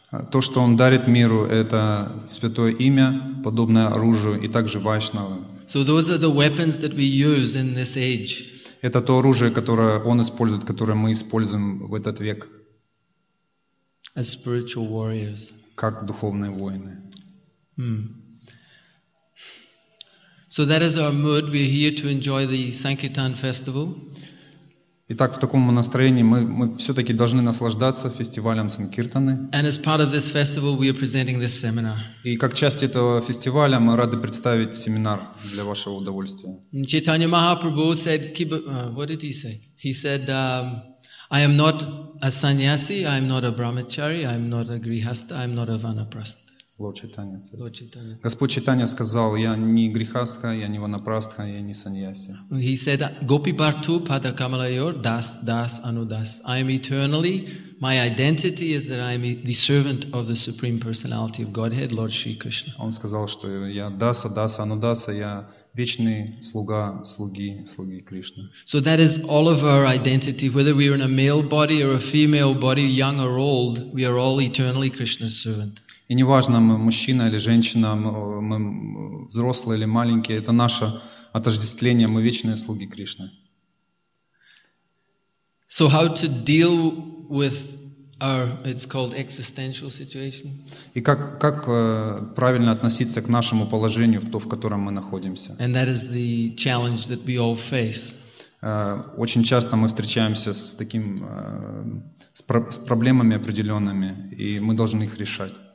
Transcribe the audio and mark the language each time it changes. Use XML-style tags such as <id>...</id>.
<ru>То, что он дарит миру, это святое имя, подобное оружию и также Вайшнавы.</ru> <en>So those are the weapons that we use in this age.</en> <ru>Это то оружие, которое он использует, которое мы используем в этот век.</ru> <en>As spiritual warriors.</en> <ru>Как духовные воины.</ru> <en>So that is our mood. We're here to enjoy the Sankirtan festival.</en> <ru>Итак, в таком настроении мы все-таки должны наслаждаться фестивалем Санкиртаны.</ru> <en>And as part of this festival, we are presenting this seminar.</en> <ru>И как часть этого фестиваля мы рады представить семинар для вашего удовольствия.</ru> <en>Чайтанья Махапрабху said, what did he say? He said, I am not a sannyasi, I am not a brahmachari, I am not a grihastha, I am not a vanaprastha. Lord Chaitanya said. Lord Chaitanya.</en> <ru>Господь Чайтанья сказал, я не грихастха, я не ванапрастха, я не саньяси.</ru> <en>He said,</en> <sa>Gopi Bhartu Pada Kamalayor Das Das Anudas.</sa> <en>I am eternally, my identity is that I am the servant of the Supreme Personality of Godhead, Lord Shri Krishna.</en> <ru>Он сказал, что я</ru> <sa>Даса Даса Анудаса,</sa> <ru>я вечный слуга, слуги Кришны.</ru> <en>So that is all of our identity, whether we are in a male body or a female body, young or old, we are all eternally Krishna's servant.</en> <ru>И неважно, мы мужчина или женщина, мы взрослые или маленькие, это наше отождествление, мы вечные слуги Кришны.</ru> <en>So how to deal with our, it's called existential situation?</en> <ru>И как правильно относиться к нашему положению, то, в котором мы находимся?</ru> <en>And that is the challenge that we all face.</en> <ru>Очень часто мы встречаемся с таким, с проблемами определенными, и мы должны их решать.</ru>